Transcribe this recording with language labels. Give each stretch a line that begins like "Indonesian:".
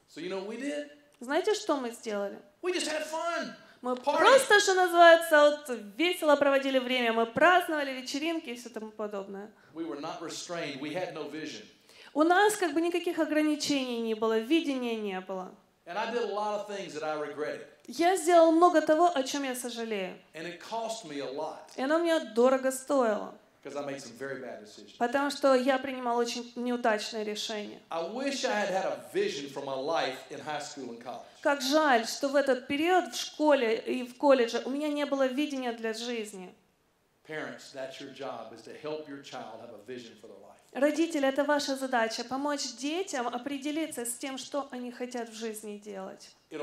English: So you know what we did?
Russian: Знаете, что мы сделали?
English: We just had fun.
Russian: Мы просто, что называется, вот, весело проводили время. Мы праздновали вечеринки и все тому подобное.
English: We were not restrained. We had no vision.
Russian: У нас как бы никаких ограничений не было, видения не было.
English: And I did a lot of things that I regretted.
Russian: Я сделал много того, о чем я сожалею.
English: And it cost me a lot.
Russian: И оно мне дорого стоило.
English: Because I made some very bad decisions.
Russian: Потому что я принимал очень неудачные решения.
English: I wish I had had a vision for my life in high school and college.
Russian: Как жаль, что в этот период в школе и в колледже у меня не было видения для жизни.
English: Parents, that's your job, is to help your child have a vision for their life.
Russian: Родители, это ваша задача — помочь детям определиться с тем, что они хотят в жизни делать.